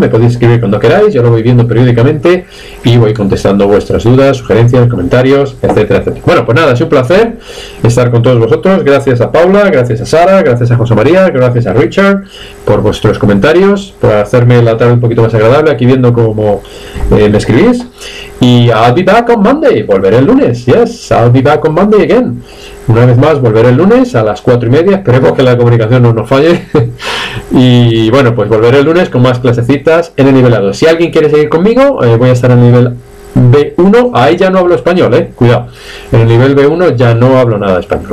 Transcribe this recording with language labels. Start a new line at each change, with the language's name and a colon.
Spanish: Me podéis escribir cuando queráis, yo lo voy viendo periódicamente y voy contestando vuestras dudas, sugerencias, comentarios, etcétera, etcétera. Bueno, pues nada, es un placer estar con todos vosotros. Gracias a Paula, gracias a Sara, gracias a José María, gracias a Richard por vuestros comentarios, por hacerme la tarde un poquito más agradable aquí viendo cómo me escribís.
English: Y I'll be back on Monday,
Spanish: volveré el lunes.
English: Yes, I'll be back on Monday again.
Spanish: Una vez más, volveré el lunes a las 4:30. Esperemos que la comunicación no nos falle. Y bueno, pues volveré el lunes con más clasecitas en el nivel A2. Si alguien quiere seguir conmigo, voy a estar en el nivel B1. Ahí ya no hablo español, cuidado. En el nivel B1 ya no hablo nada de español.